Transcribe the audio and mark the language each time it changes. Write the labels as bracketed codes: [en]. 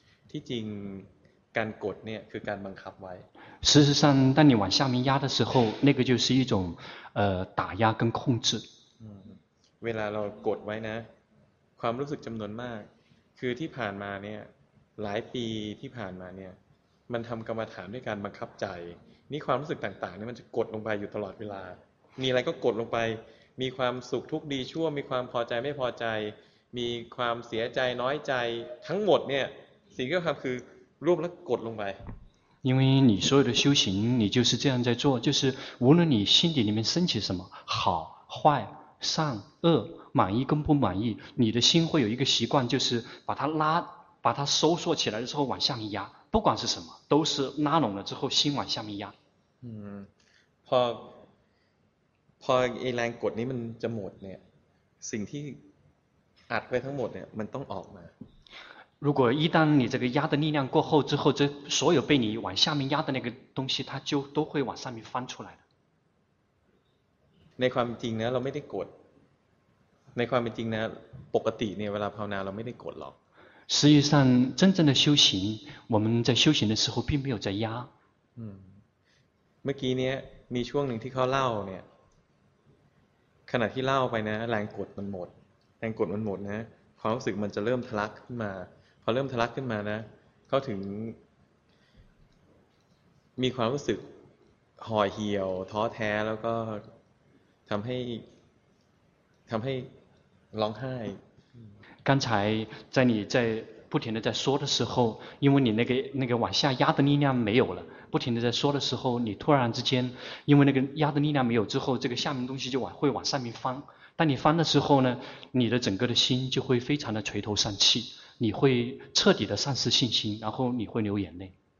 [th] ที่จริงการกดเนี่ยคือการบังคับไว้ [zh] 事实上当你往下面压的时候那个就是一种打压跟控制 [th] เวลาเรากดไว้นะความรู้สึกจำนวนมากคือที่ผ่านมาเนี่ยหลายปีที่ผ่านมาเนี่ยมันทำกรรมฐานด้วยการบังคับใจนี่ความรู้สึกต่างๆนี่มันจะกดลงไปอยู่ตลอดเวลามีอะไรก็กดลงไปมีความสุขทุกข์ดีชั่วมีความพอใจไม่พอใจมีความเสียใจน้อยใจทั้งหมดเนี่ยสิ่งที่ทำคือรวบแล้วกดลงไป [zh] 因为你所有的修行你就是这样在做就是无论你心底里面升起什么好坏善恶满意跟不满意你的心会有一个习惯就是把它收缩起来之后往下面压不管是什么都是拉拢了之后心往下面压 [th] พอไอ้แรงกดนี้มันจะหมดเนี่ยสิ่งที่อัดไปทั้งหมดเนี่ยมันต้องออกมา [zh] 如果一旦你这个压的力量过后之后这所有被你往下面压的那个东西它就都会往上面翻出来的 [th] ในความจริงนะเราไม่ได้กดในความจริงนะปกติเนี่ยเวลาภาวนาเราไม่ได้กดหรอก [zh] 实际上真正的修行我们在修行的时候并没有在压 [th] เมื่อกี้เนี้ยมีช่วงหนึ่งที่เขาเล่าเนี่ยขณะที่เล่าไปนะแรงกดมันหมดนะความรู้สึกมันจะเริ่มทะลักขึ้นมาพอเริ่มทะลักขึ้นมานะเขาถึงมีความรู้สึกห่อเหี่ยวท้อแท้แล้วก็ทำให้ร้องไห้ [zh] 刚才在你在不停的在说的时候因为你那个往下压的力量没有了不停地在说的时候你突然之间因为那个压的力量没有之后这个下面东西就会往上面翻当你翻的时候呢你的整个的心就会非常的垂头丧气你会彻底的丧失信心然后你会流眼泪